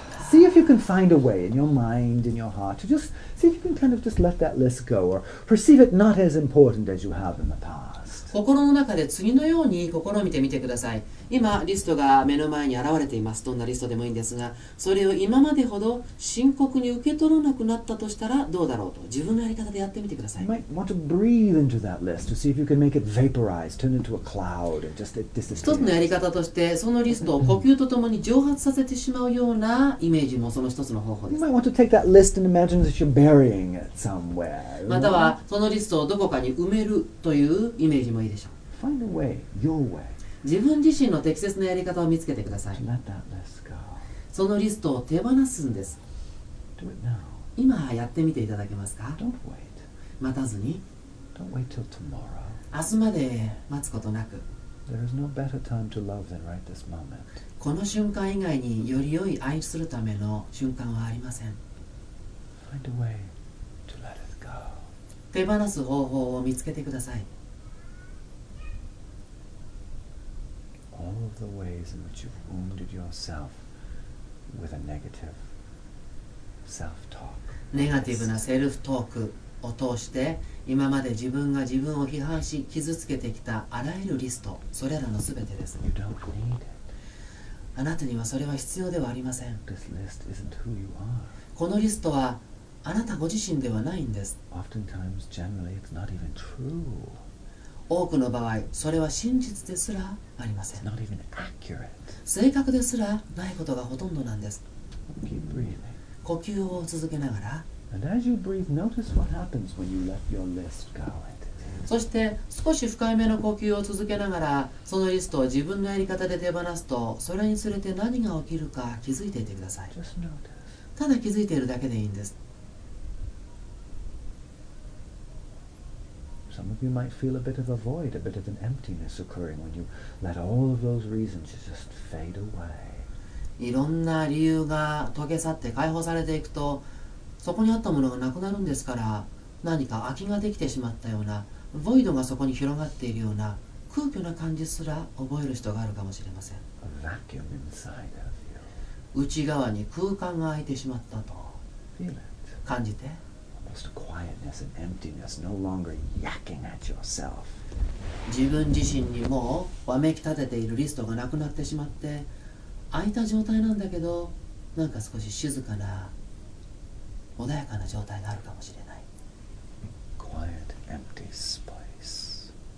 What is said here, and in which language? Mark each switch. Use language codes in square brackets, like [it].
[en] See if you can find a way in your mind, in your heart to just see if you can kind of just let that list go or perceive it not as important as you have in the past. [ja] 心の中で次のように試みてみてください。今リストが目の前に現れています。どんなリストでもいいんですが、それを今までほど深刻に受け取らなくなったとしたらどうだろうと自分のやり方でやってみてください。 [en] You might want to breathe into that list to see if you can make it vaporize, turn into a cloud and just disappear. [ja] 一つのやり方としてそのリストを呼吸とともに蒸発させてしまうようなイメージもその一つの方法です。 [en] You might want to take that list and imagine that you're burying it somewhere. [ja] またはそのリストをどこかに埋めるというイメージもいいでしょう。 [en] Find a way, your way. [ja] 自分自身の適切なやり方を見つけてください。 [en] Let that list go. [ja] そのリストを手放すんです。 [en] Do it now. [ja] 今やってみていただけますか。 [en] Don't wait. [ja] 待たずに。 [en] Don't wait till tomorrow. [ja] 明日まで待つことなく。 [en] There is no better time to love than right this moment. [ja] この瞬間以外により良い愛するための瞬間はありません。 [en] Find a way to let it go. [ja] 手放す方法を見つけてください。 [en] All of the ways in which you've wounded yourself with a negative self-talk. [ja] ネガティブなセルフトークを通して今まで自分が自分を批判し傷つけてきたあらゆるリスト、それらのすべてです。 [en] You don't need it. [ja] あなたにはそれは必要ではありません。 [en] This list isn't who you are. [ja] このリストはあなたご自身ではないんです。 [en] Oftentimes, generally, it's not even true. [ja] 多くの場合、それは真実ですらありません。 [en] It's not even accurate. [ja] 正確ですらないことがほとんどなんです。 [en] Keep breathing. [ja] 呼吸を続けながら、 [en] And as you breathe, notice what happens when you let your list go into. [ja] そして少し深いめの呼吸を続けながら、そのリストを自分のやり方で手放すと、それにつれて何が起きるか気づいていてください。 [en] Just notice. [ja] ただ気づいているだけでいいんです。 [en] Some of you might feel a bit of a void, a bit of an emptiness occurring when you let all of those reasons just fade away. [ja] いろんな理由が溶け去って解放されていくと、そこにあったものがなくなるんですから、何か空きができてしまったような、ボイドがそこに広がっているような、空虚な感じすら覚える人があるかもしれません。 [en] A vacuum inside of you. [ja] 内側に空間が空いてしまったと。 [en] Feel it. [ja] 感じて。 [en] Almost a quietness and emptiness, no longer yakking at yourself. [ja] 自分自身にもうわめき立てているリストがなくなってしまって、空いた状態なんだけど、なんか少し静かな、穏やかな状態があるかもしれない。 [en] Quiet, empty space.